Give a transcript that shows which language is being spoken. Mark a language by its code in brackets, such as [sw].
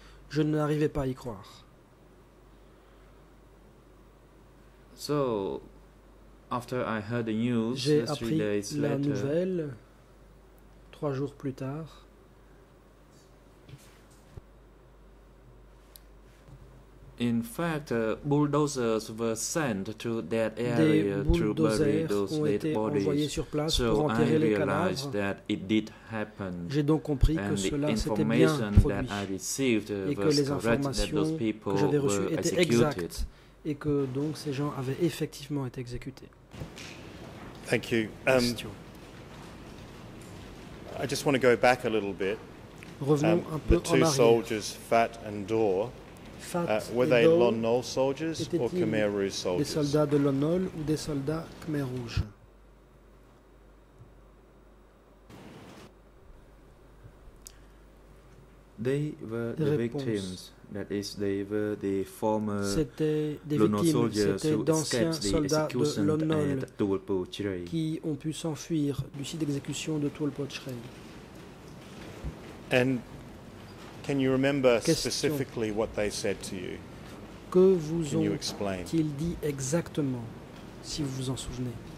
[fr] Je n'arrivais pas à y croire. [en] So, after I heard the news, [fr] j'ai appris la nouvelle trois jours plus tard. [en] In fact, bulldozers were sent to that area to bury those dead bodies. So I realized that it did happen. [fr] J'ai donc compris [en] and [fr] que cela [en] the information that I received was correct, that those people were executed. [fr] Et que donc ces gens avaient effectivement été exécutés. [en] Thank you. I just want to go back a little bit. [fr] Revenons un peu [en] the two soldiers, Fat and Dor. Were they Lon Nol soldiers or Khmer Rouge soldiers? [fr] Des soldats de Lon Nol ou des soldats Khmer Rouge? [en] They were the victims. That is, they were the former Lon Nol soldiers who escaped the execution at Tuolpo Chirey. [fr] Qui ont pu s'enfuir du site d'exécution de Tuolpo Chirey. [en] And can you remember specifically what they said to you? [fr] Que vous ont-ils dit exactement, si vous vous en souvenez?